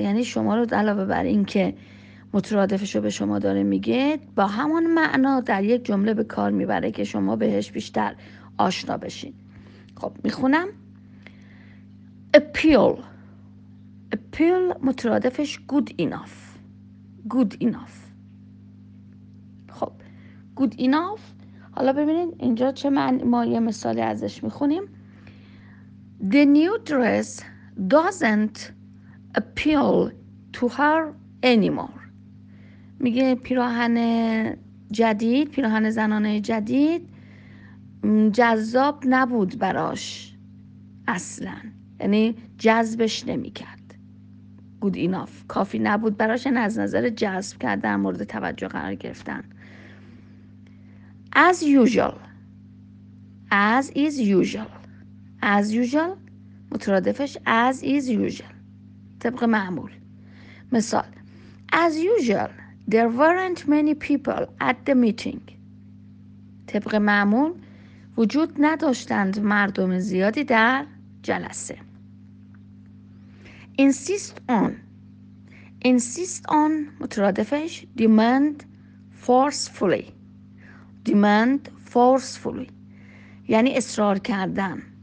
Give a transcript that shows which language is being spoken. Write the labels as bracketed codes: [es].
[fa] یعنی شما رو علاوه بر این که مترادفش رو به شما داره میگه با همون معنا در یک جمله به کار میبره که شما بهش بیشتر آشنا بشین. خب میخونم. appeal پیل مترادفش [en] good enough. Good enough. خب good enough. [fa] حالا ببینید اینجا چه معنی ما یه مثالی ازش میخونیم. [en] The new dress doesn't appeal to her anymore. [fa] میگه پیراهن جدید، پیراهن زنانه جدید جذاب نبود براش اصلا، یعنی جذبش نمی کرد. [en] Good enough [fa] کافی نبود براش، یعنی از نظر جذب کرد در مورد توجه قرار گرفتن. [en] As usual. As is usual. As usual مترادفش as is usual، [fa] طبق معمول. [en] مثال As usual there weren't many people at the meeting. [fa] طبق معمول وجود نداشتند مردم زیادی در جلسه. [en] Insist on. Insist on مترادفش demand forcefully. Demand forcefully [fa] یعنی اصرار کردن.